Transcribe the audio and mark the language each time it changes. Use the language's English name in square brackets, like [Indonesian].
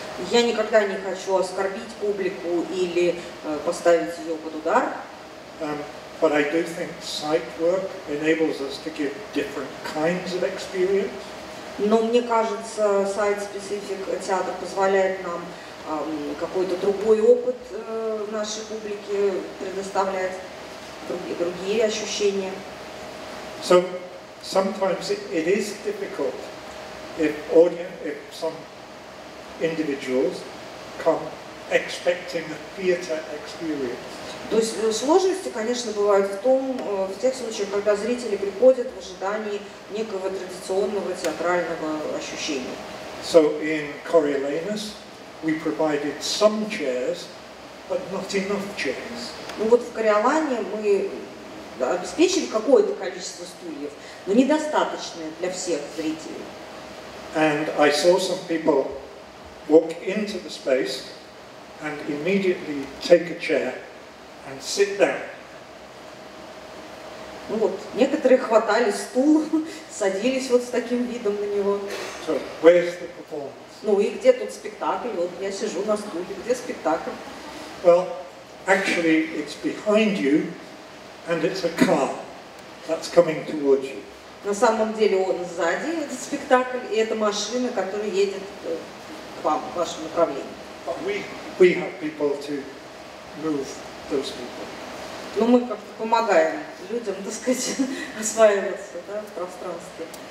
[Russian] Я никогда не хочу оскорбить публику или поставить ее под удар. [English] But I do think sight work enables us to give different kinds of experience. [Russian] Но мне кажется, сайт-специфик театр позволяет нам какой-то другой опыт нашей публике предоставлять, другие ощущения. [English] So, sometimes it is difficult if audience, if some individuals come expecting a theatre experience. [Russian] То есть сложности, конечно, бывают в том, в тех случаях, когда зрители приходят в ожидании некого традиционного театрального ощущения. [English] So in Coriolanus we provided some chairs, but not enough chairs. [Russian] Ну вот в Кориолане мы обеспечили какое-то количество стульев, но недостаточное для всех зрителей. [English] And I saw some people walk into the space and immediately take a chair and sit down. [Russian] Ну вот, некоторые хватали стул, садились вот с таким видом на него. [English] So, where's the performance? [Russian] Ну и где тут спектакль? Вот я сижу на стуле, где спектакль? [English] Well, actually, it's behind you. And it's a car that's coming towards you. [Russian] На самом деле он сзади, этот спектакль, и это машина, которая едет к вам, в вашем направлении. [English] But we have people to move those people. [Russian] Ну мы как-то помогаем людям, так сказать, осваиваться, да, в пространстве.